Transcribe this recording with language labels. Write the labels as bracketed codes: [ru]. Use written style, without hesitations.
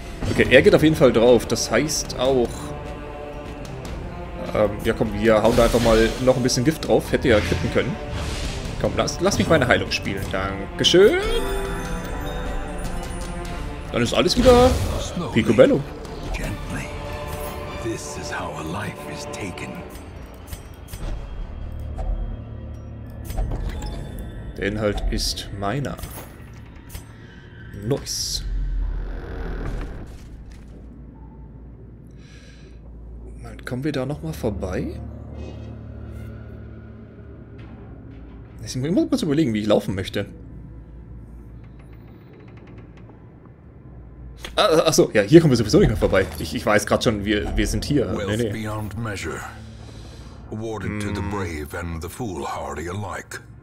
[de] Okay, er geht auf jeden Fall drauf. Das heißt auch... ja komm, wir hauen da einfach mal noch ein bisschen Gift drauf. Hätte ja kippen können. Komm, lass mich meine Heilung spielen. Dankeschön. Dann ist alles wieder picobello. [en] This is how a life is taken. [de] Der Inhalt ist meiner. Nice. Dann kommen wir da nochmal vorbei? Ich muss mal kurz überlegen, wie ich laufen möchte. Achso, ja, hier kommen wir sowieso nicht mehr vorbei. Ich weiß gerade schon, wir sind hier. [en] Nee. Beyond measure. Awarded to the brave and the foolhardy alike.